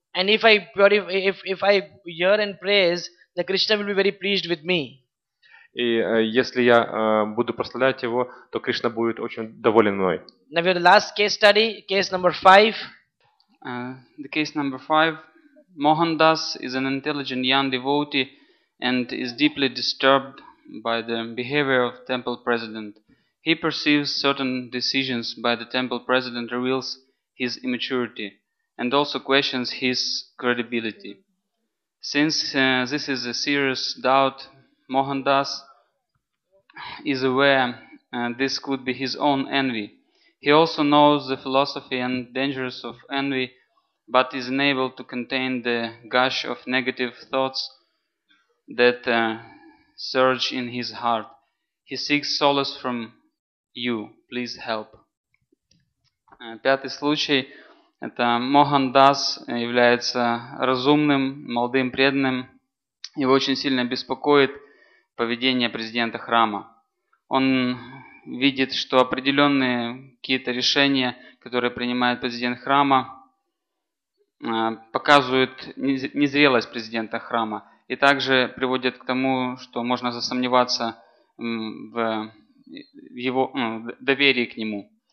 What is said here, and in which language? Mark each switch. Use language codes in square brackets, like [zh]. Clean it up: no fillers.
[en] And if I if I hear and praise, the Krishna will be very pleased with me. [ru] И если я буду прославлять его, то Кришна будет очень доволен мной. [en] Now we have the last case study, case number 5. The case number 5. Mohandas is an intelligent young devotee and is deeply disturbed by the behavior of temple president. He perceives certain decisions by the temple president reveals his immaturity and also questions his credibility. Since this is a serious doubt, Mohandas is aware this could be his own envy. He also knows the philosophy and dangers of envy but is unable to contain the gush of negative thoughts that surge in his heart. He seeks solace from you. Please help. [ru] Пятый случай. Это Мохан Дас является разумным, молодым, преданным. Его очень сильно беспокоит поведение президента храма. Он видит, что определенные какие-то решения, которые принимает президент храма, показывают незрелость президента храма и также приводят к тому, что можно засомневаться в его доверии к нему.